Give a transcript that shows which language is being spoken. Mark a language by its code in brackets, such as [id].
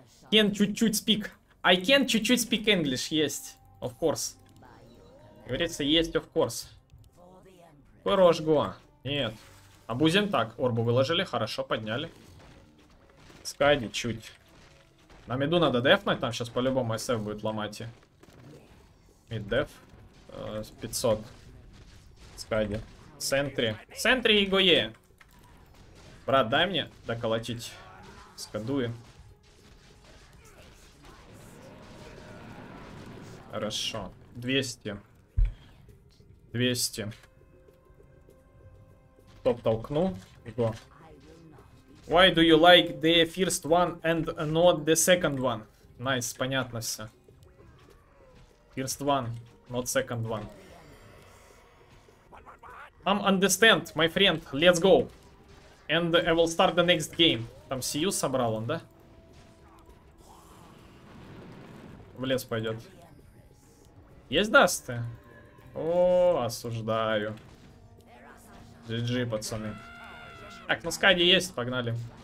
[en] Can [ru] чуть-чуть [en] speak. I can чуть-чуть speak English. [ru] Есть. [en] Of course. [ru] Говорится, есть [en] of course. [ru] Хорош, гуа. Нет. А будем так. Орбу выложили, хорошо, подняли. Скади чуть. На миду надо дефнуть. Там сейчас по-любому SF будет ломать. Мид деф. 500. Скади. Сентри. Сентри и гуе. Брат, дай мне доколотить скадуи. Хорошо. 200. Топ толкну. Его. [en] Why do you like the first one and not the second one? [ru] Найс, [en] nice, [ru] понятно все. [en] First one, not second one. I understand, my friend. Let's go. And I will start the next game. [ru] Там CU собрал он, да? В лес пойдет. Есть дасты? О, осуждаю. GG, пацаны. Так, ну скади есть, погнали.